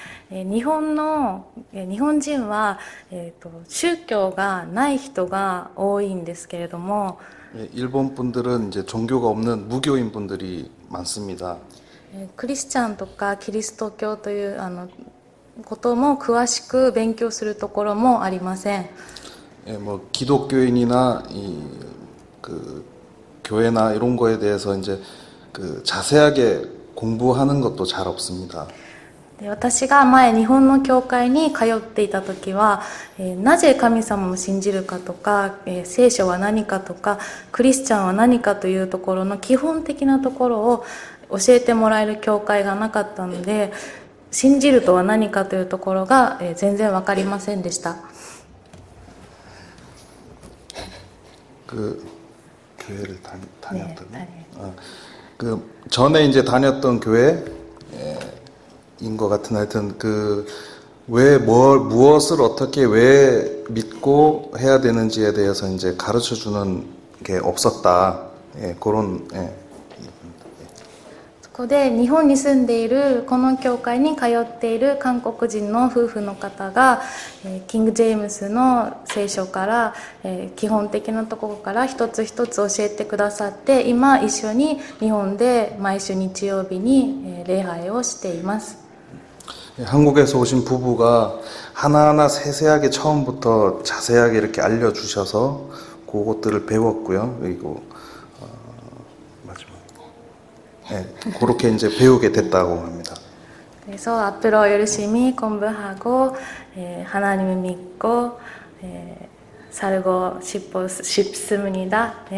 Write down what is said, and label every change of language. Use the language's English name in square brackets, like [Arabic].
[Japanese] 日本人は、宗教がない人が多いんですけれども、 [Korean] 예, 일본 분들은 이제 종교가 없는 무교인 분들이 많습니다. [Japanese] 크리스찬とかキリスト教ということも詳しく勉強するところもありません。 [Korean] 예, 뭐 기독교인이나 이그 교회나 이런 거에 대해서 이제 그 자세하게 공부하는 것도 잘 없습니다. [Japanese] 私が前日本の教会に通っていた時は、なぜ神様を信じるかとか、聖書は何かとか、クリスチャンは何かというところの基本的なところを教えてもらえる教会がなかったので、信じるとは何かというところが、全然わかりませんでした。 [Korean] 그 교회를 네, 다녔던 그 전에 이제 다녔던 교회인 것 같은 하여튼 그왜뭘 무엇을 어떻게 왜 믿고 해야 되는지에 대해서 이제 가르쳐 주는 게 없었다. 예, 그런 예. [Japanese] ここで日本に住んでいるこの教会に通っている韓国人の夫婦の方が、キング・ジェームスの聖書から、基本的なところから一つ一つ教えてくださって、今一緒に日本で毎週日曜日に、礼拝をしています。 [Korean] 한국에서 오신 부부가 하나하나 세세하게 처음부터 자세하게 이렇게 알려주셔서 그것들을 배웠고요. 그리고, 네, 그렇게 이제 배우게 됐다고 합니다. 그래서 앞으로 열심히 공부하고, 하나님을 믿고, 살고 싶습니다.